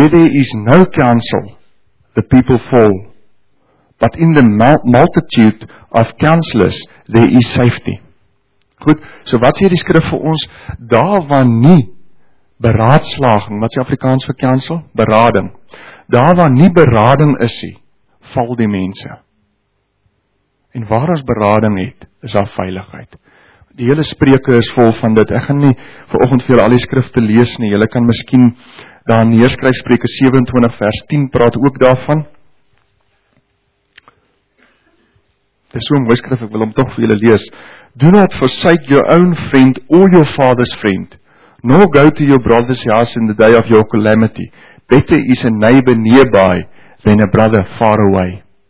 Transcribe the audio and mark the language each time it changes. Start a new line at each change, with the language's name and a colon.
English: Where there is no counsel, the people fall, but in the multitude of counselors, there is safety.
Afrikaans: Goed, so wat sê die skrif vir ons? Daar waar nie beraadslaging, wat sê Afrikaans vir counsel? Berading. Daar waar nie berading is, val die mense. En waar ons berading het, is daar veiligheid. Die hele spreuke is vol van dit. Ek gaan nie vanoggend vir julle al die skrifte lees nie. Julle kan miskien daar neerskryf, Spreuke 27 vers 10 praat ook daarvan. Dit is so 'n mooi skrif, ek wil hom tog vir julle lees.
English: Do not forsake your own friend or your father's friend, nor go to your brother's house in the day of your calamity. Better is a neighbor nearby than a brother far away.